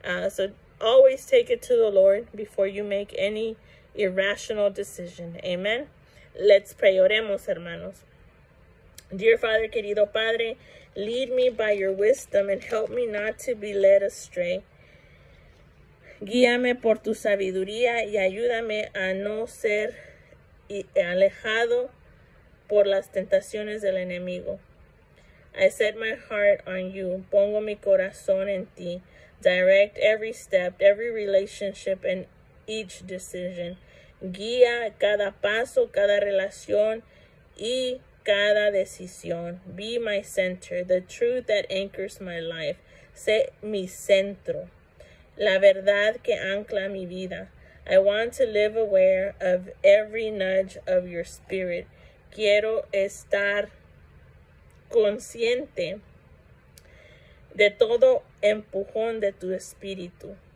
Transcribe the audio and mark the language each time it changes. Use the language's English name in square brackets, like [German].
[English] So always take it to the Lord before you make any irrational decision. Amen. Let's pray. [Spanish] Oremos, hermanos. [English] Dear Father, [Spanish] querido Padre, [English] lead me by your wisdom and help me not to be led astray. [Spanish] Guíame por tu sabiduría y ayúdame a no ser alejado por las tentaciones del enemigo. [English] I set my heart on you. [Spanish] Pongo mi corazón en ti. [English] Direct every step, every relationship, and each decision. [Spanish] Guía cada paso, cada relación, y cada decisión. [English] Be my center, the truth that anchors my life. [Spanish] Sé mi centro, la verdad que ancla mi vida. [English] I want to live aware of every nudge of your spirit. [Spanish] Quiero estar consciente de todo empujón de tu espíritu.